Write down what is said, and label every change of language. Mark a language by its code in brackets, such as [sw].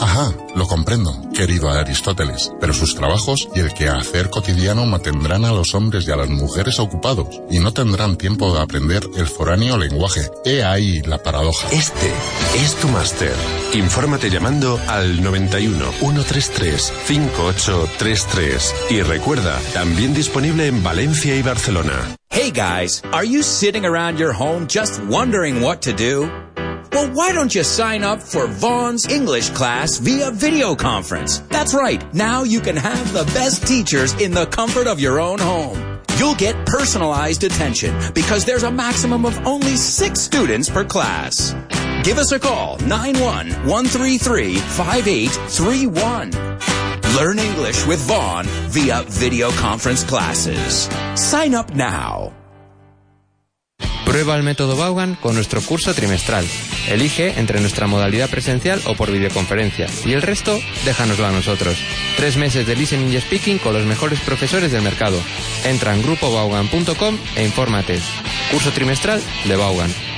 [es] Ajá, lo comprendo, querido Aristóteles, pero sus trabajos y el quehacer cotidiano mantendrán a los hombres y a las mujeres ocupados. Y no tendrán tiempo de aprender el foráneo lenguaje. He ahí la paradoja. Este es tu máster. Infórmate llamando al 91-133-5833. Y recuerda, también disponible en Valencia y Barcelona. [en] Hey guys, are you sitting around your home just wondering what to do? Well, why don't you sign up for Vaughn's English class via video conference? That's right, now you can have the best teachers in the comfort of your own home. You'll get personalized attention because there's a maximum of only 6 students per class. Give us a call, 91-133-5831. Learn English with Vaughn via video conference classes. Sign up now. [es] Prueba el método Vaughan con nuestro curso trimestral. Elige entre nuestra modalidad presencial o por videoconferencia. Y el resto, déjanoslo a nosotros. 3 meses de listening y speaking con los mejores profesores del mercado. Entra en grupovaughan.com e infórmate. Curso trimestral de Vaughan.